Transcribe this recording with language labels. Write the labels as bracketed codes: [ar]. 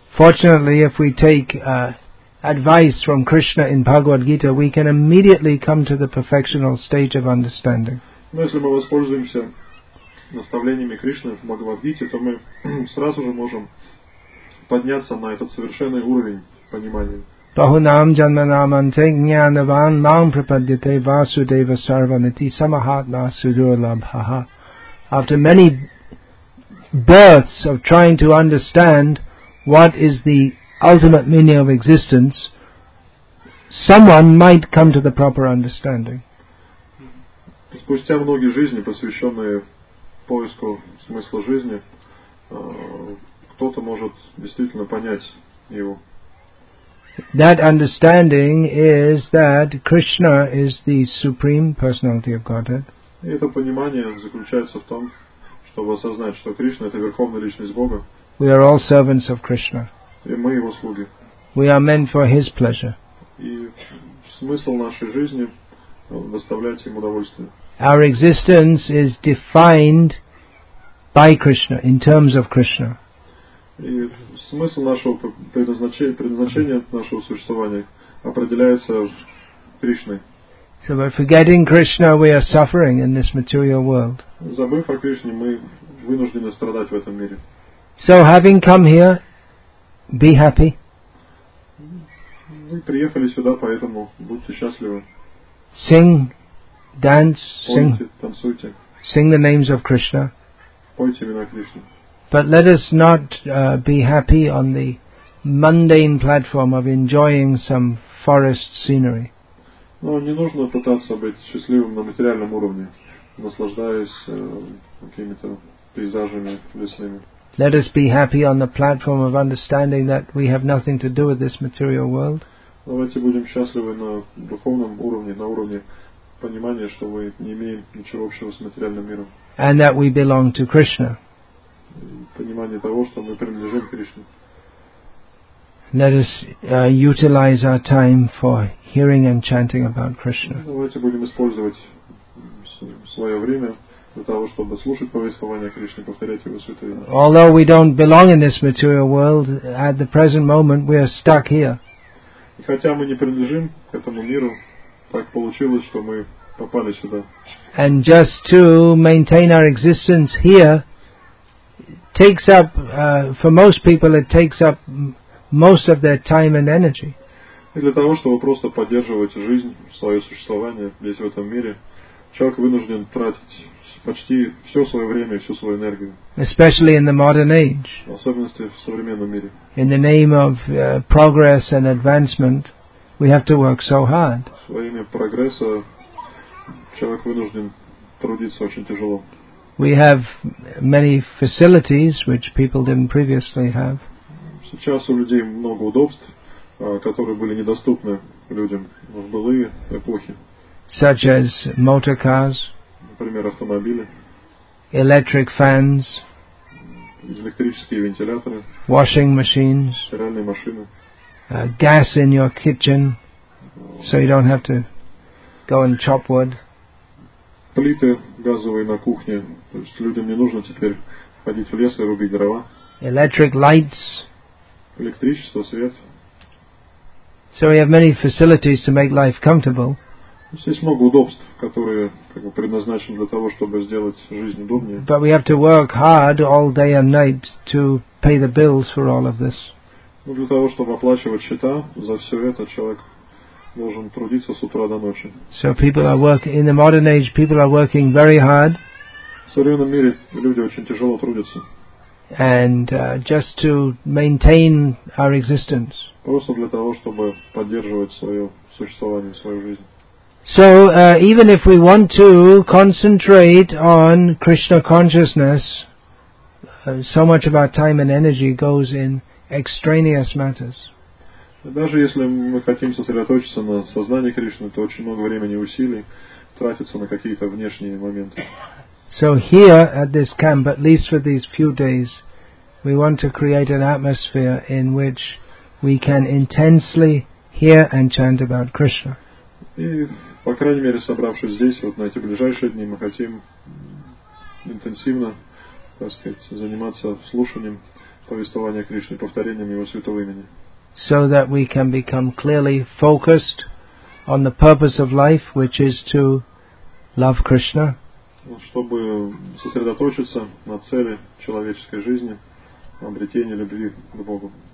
[en] Fortunately, if we take advice from Krishna in Bhagavad Gita, we can immediately come to the perfectional stage of understanding. [ru] Но если мы воспользуемся наставлениями Кришны в Бхагавад-гите, то мы сразу же можем подняться на этот совершенный уровень пониманием. [sa] Bahunam janmanaman te jnanavan mam prapadyate vasudeva sarvanati samahatma sudurlabhaha. [en] After many births of trying to understand what is the ultimate meaning of existence, someone might come to the proper understanding. [ru] Спустя многие жизни, посвященные поиску смысла жизни, кто-то может действительно понять его. [en] That understanding is that Krishna is the Supreme Personality of Godhead. [ru] Это понимание заключается в том, чтобы осознать, что Кришна — это верховная личность Бога. [en] We are all servants of Krishna. [ru] И мы его слуги. [en] We are meant for his pleasure. [ru] И смысл нашей жизни — доставлять ему удовольствие. [en] Our existence is defined by Krishna, in terms of Krishna. [ru] И смысл нашего предназначения, нашего существования определяется Кришной. [en] So by forgetting Krishna, we are suffering in this material world. [ru] Забыв о Кришне, мы вынуждены страдать в этом мире. [en] So having come here, be happy. [ru] Вы приехали сюда, поэтому будьте счастливы. [en] Sing, dance, sing. [ru] Танцуйте. [en] Sing the names of Krishna. [ru] Пойте имена Кришны. [en] But let us not be happy on the mundane platform of enjoying some forest scenery. [ru] Но не нужно пытаться быть счастливым на материальном уровне, наслаждаясь какими-то пейзажами лесными. [en] Let us be happy on the platform of understanding that we have nothing to do with this material world. [ru] Давайте будем счастливы на духовном уровне, на уровне понимания, что мы не имеем ничего общего с материальным миром. [en] And that we belong to Krishna. [ru] Понимание того, что мы принадлежим Кришне. [en] Let us utilize our time for hearing and chanting about Krishna. [ru] Давайте будем использовать свое время для того, чтобы слушать повествование Кришны, повторять его святые. [en] Although we don't belong in this material world, at the present moment we are stuck here. [ru] И хотя мы не принадлежим к этому миру, так получилось, что мы попали сюда. [en] And just to maintain our existence here takes up, for most people, it takes up most of their time and energy. [ru] И для того, чтобы просто поддерживать жизнь, свое существование здесь, в этом мире, человек вынужден тратить почти все свое время и всю свою энергию. [en] Especially in the modern age. [ru] В особенности в современном мире. [en] In the name of progress and advancement, we have to work so hard. [ru] Во имя прогресса человек вынужден трудиться очень тяжело. [en] We have many facilities which people didn't previously have. [ru] Сейчас у людей много удобств, которые были недоступны людям в былые эпохи. [en] Such as motor cars. [ru] Например, автомобили. [en] Electric fans. [ru] Электрические вентиляторы. [en] Washing machines. [ru] Стиральные машины. [en] Gas in your kitchen, so you don't have to go and chop wood. [ru] Плиты газовые на кухне, то есть людям не нужно теперь ходить в лес и рубить дрова. [en] Electric lights. [ru] Электричество, свет. [en] So we have many facilities to make life comfortable. [ru] Здесь много удобств, которые как бы предназначены для того, чтобы сделать жизнь удобнее. [en] But we have to work hard all day and night to pay the bills for all of this. [ru] Но для того, чтобы оплачивать счета за все это, человек должен трудиться с утра до ночи. [en] So people are working in the modern age. People are working very hard. [ru] В современном мире люди очень тяжело трудятся. [en] And just to maintain our existence. [ru] Просто для того, чтобы поддерживать свое существование, свою жизнь. [en] So even if we want to concentrate on Krishna consciousness, so much of our time and energy goes in extraneous matters. [ru] Даже если мы хотим сосредоточиться на сознании Кришны, то очень много времени и усилий тратится на какие-то внешние моменты. [en] So here at this camp, at least for these few days, we want to create an atmosphere in which we can intensely hear and chant about Krishna. [ru] И, по крайней мере, собравшись здесь, вот на эти ближайшие дни, мы хотим интенсивно, так сказать, заниматься слушанием повествования Кришны, повторением его святого имени. [en] So that we can become clearly focused on the purpose of life, which is to love Krishna. [ru] Чтобы сосредоточиться на цели человеческой жизни, обретении любви к Богу.